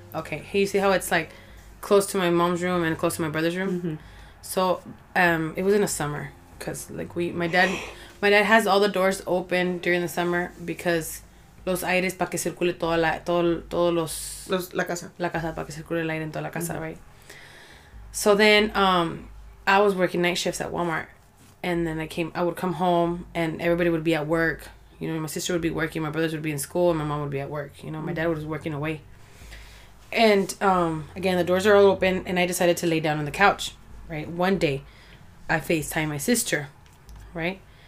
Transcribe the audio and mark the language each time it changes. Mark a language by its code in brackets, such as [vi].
[en] Okay, hey, you see how it's, like, close to my mom's room and close to my brother's room? Mm-hmm. So, it was in the summer, because, like, my dad has all the doors open during the summer, because [es] los aires para que circule toda la, todos los la casa. La casa, para que circule el aire en toda la casa, mm-hmm. right? [en] So then, I was working night shifts at Walmart, and then I would come home, and everybody would be at work, you know, my sister would be working, my brothers would be in school, and my mom would be at work, you know, my dad was working away. And, again, the doors are all open, and I decided to lay down on the couch, right? One day, I FaceTimed my sister, right?